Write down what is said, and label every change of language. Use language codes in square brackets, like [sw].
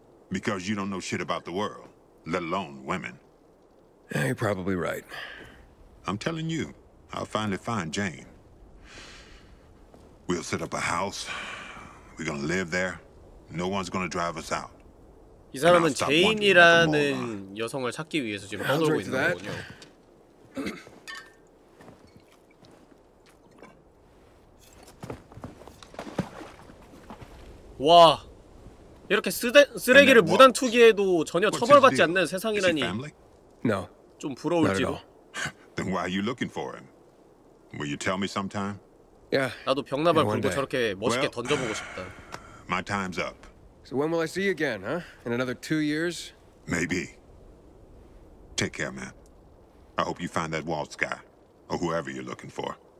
[en] Because you don't know shit about the world, let alone women. Yeah, you're probably right. I'm telling you, I'll finally find Jane. We'll set up a house. We're gonna live there. No one's gonna drive us out. [ko] 이 사람은 제인이라는 여성을 찾기 위해서 지금 떠돌고 있는 거군요. 와, 이렇게 쓰레기를 무단 투기해도 전혀 처벌받지 않는 세상이라니. 좀 부러울지도. [en] Then why are you looking for him? Will you tell me sometime? Yeah. [ko] 나도 병나발 걸고 저렇게 멋있게 던져보고 싶다. [en] My time's up. So when will I see you again, huh? In another 2 years? Maybe. Take care, man. I hope you find that Waltz guy, or whoever you're looking for.